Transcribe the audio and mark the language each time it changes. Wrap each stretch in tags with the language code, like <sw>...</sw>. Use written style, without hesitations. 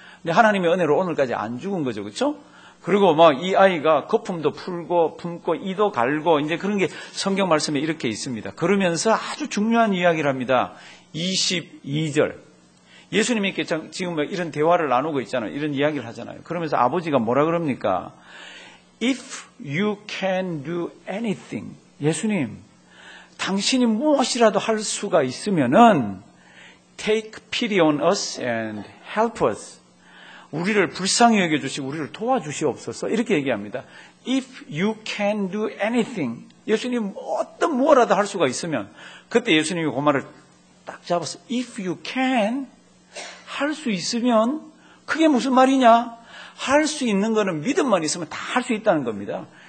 <ko>근데 하나님의 은혜로 오늘까지 안 죽은 거죠, 그쵸? 그리고 막 이 아이가 거품도 풀고, 품고, 이도 갈고, 이제 그런 게 성경 말씀에 이렇게 있습니다. 그러면서 아주 중요한 이야기를 합니다. 22절. 예수님이 지금 뭐 이런 대화를 나누고 있잖아요. 이런 이야기를 하잖아요. 그러면서 아버지가 뭐라 그럽니까?</ko> <en>If you can do anything.</en> <ko>예수님, 당신이 무엇이라도 할 수가 있으면은</ko> <en>take pity on us and help us.</en> <ko>우리를 불쌍히 여겨주시고 우리를 도와주시옵소서. 이렇게 얘기합니다.</ko> <en>If you can do anything.</en> <ko>예수님, 어떤 무엇이라도 할 수가 있으면. 그때 예수님이 그 말을 딱 잡았어.</ko> <en>If you can.</en> <ko>할 수 있으면, 그게 무슨 말이냐? 할 수 있는 거는 믿음만 있으면 다 할 수 있다는 겁니다.</ko>